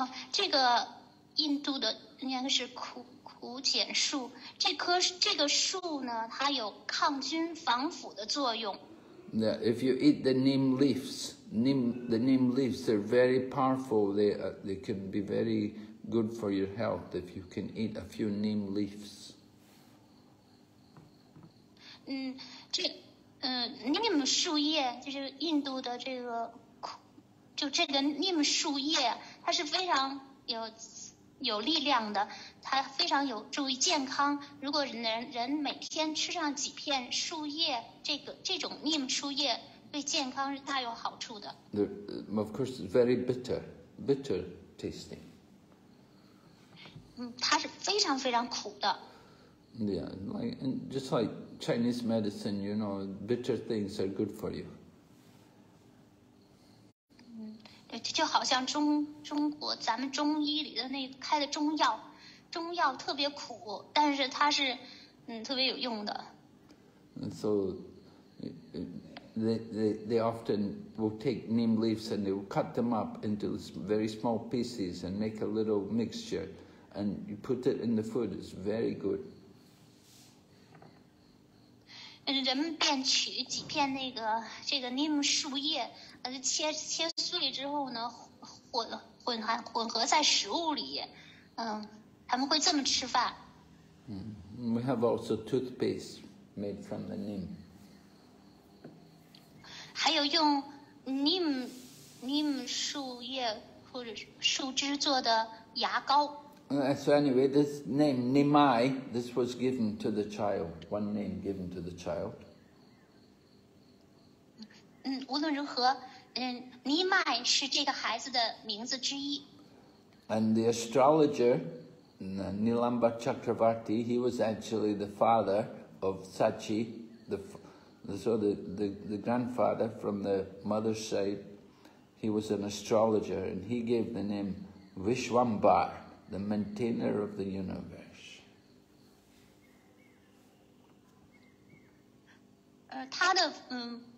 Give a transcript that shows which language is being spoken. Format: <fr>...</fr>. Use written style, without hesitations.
<zh>这个印度的应该是苦碱树，这个树呢它有抗菌防腐的作用。</zh> <en>Now, if you eat the neem leaves, the neem leaves are very powerful. They can be very good for your health if you can eat a few neem leaves.</en> <zh>Neem 树叶就是印度的这个，就这个 neem 树叶，它是非常有力量的，它非常有助于健康。如果人每天吃上几片树叶，这种 neem 树叶对健康是大有好处的。</zh> <en>Of course, it's very bitter tasting.</en> <zh>它是非常非常苦的。</zh> <en>Yeah, just like Chinese medicine, you know, bitter things are good for you.</en> <zh>对，就好像中国咱们中医里的那开的中药特别苦，但是它是特别有用的。</zh> <en>And so they often will take neem leaves and they will cut them up into very small pieces and make a little mixture and you put it in the food, it's very good.</en> <zh>人们便取几片那个这个 neem 树叶切碎之后呢，混合在食物里，他们会这么吃饭。</zh> <en>We have also toothpaste made from the neem.</en> <zh>还有用 neem 树叶或者树枝做的牙膏。</zh> <en>So anyway, this name Nimai, this was given to the child. One name given to the child.</en> <zh>无论如何。尼麦是这个孩子的名字之一。</zh> <en>And the astrologer, Nilamba Chakravarti, he was actually the father of Sachi, the grandfather from the mother's side. He was an astrologer, and he gave the name Vishwambar, the maintainer of the universe.</en>